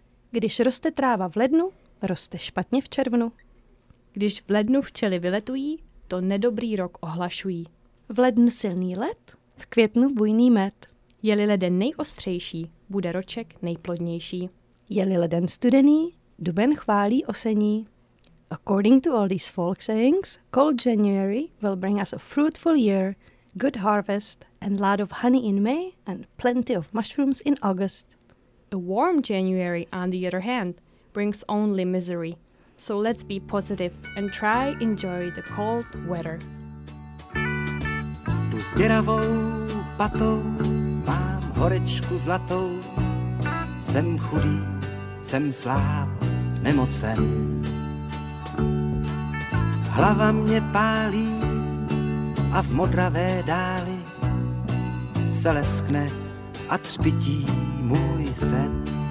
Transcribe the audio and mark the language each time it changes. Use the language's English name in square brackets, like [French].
[Czech] Když roste tráva v lednu, roste špatně v červnu. Když v lednu včely vyletují, to nedobrý rok ohlašují. V lednu silný led, v květnu bujný med. Je-li leden nejostřejší, bude roček nejplodnější. Je-li leden studený, duben chválí osení. [English] According to all these folk sayings, cold January will bring us a fruitful year, good harvest and lot of honey in May and plenty of mushrooms in August. A warm January, on the other hand, brings only misery. So let's be positive and try enjoy the cold weather. [Czech] Tu s děravou patou mám horečku zlatou. Jsem chudý, jsem sláb, nemocen. Hlava mě pálí a v modravé dáli se leskne a třpití můj sen.